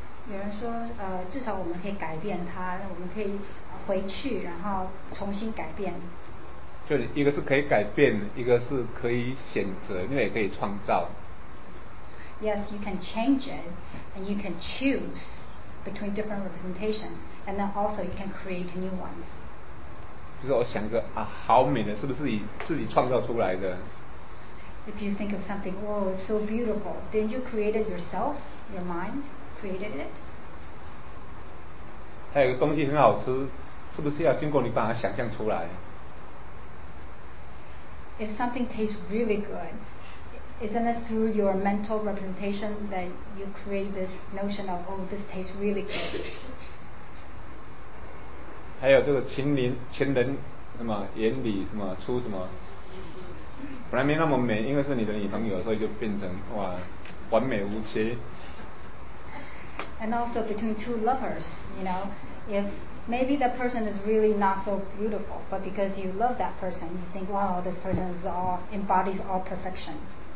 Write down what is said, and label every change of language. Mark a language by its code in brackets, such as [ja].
[zh] 有人说，至少我们可以改变它，我们可以回去，然后重新改变。就一个是可以改变，一个是可以选择，另外也可以创造。 [en] Yes, you can change it, and you can choose between different representations, and then also you can create new ones. [zh] 就是我想个啊，好美的，是不是自己创造出来的？ [en] If you think of something, oh, it's so beautiful, didn't you create it yourself, your mind? Created it. [zh] 还有个东西很好吃，是不是要经过你把它想象出来？ [en] If something tastes really good, isn't it through your mental representation that you create this notion of, oh, this tastes really good? [zh] 还有这个情人什么眼里什么出什么，本来没那么美，因为是你的女朋友，所以就变成哇，完美无缺。 [en] And also between two lovers, you know, if maybe the person is really not so beautiful, but because you love that person, you think, wow, this person is all, embodies all perfections.